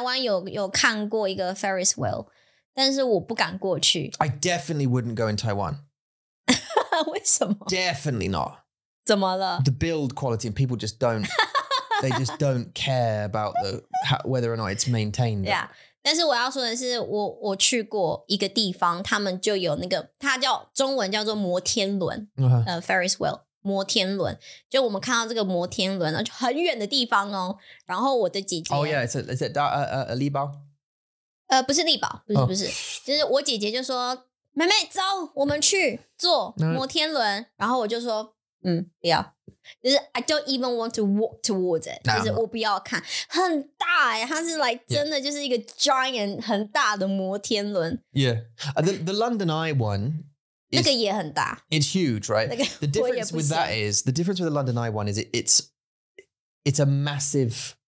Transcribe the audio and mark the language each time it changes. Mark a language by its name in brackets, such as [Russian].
[Chinese] 我在台湾有看过一个 Ferris wheel, 但是我不敢过去. [English] I definitely wouldn't go in Taiwan. [Chinese] 为什么? [English] Definitely not. [Chinese] 怎么了? [English] The build quality and people just don't. They just don't care about whether or not it's maintained. Yeah. [Chinese] 但是我要说的是我去过一个地方, 他们就有那个, 它叫中文叫做摩天轮, [English] uh-huh. [Chinese] Ferris wheel, 摩天轮, 就我们看到这个摩天轮, 就很远的地方哦, 然后我的姐姐, [English] oh yeah, is it a 立宝? [Chinese] 不是立宝, 不是, oh. 就是我姐姐就说, 妹妹, 走, 我们去, 坐, 摩天轮, 然后我就说, 不要。 [English] 就是 I don't even want to walk towards it. Nah, [Chinese] 就是我不要看, 很大耶, 它是 like, yeah. 真的就是一个 giant, 很大的摩天轮。 [English] Yeah. The London Eye one is, [Chinese] 那个也很大。 [English] It's huge, right? The difference with that is, the difference with the London Eye one is it's a massive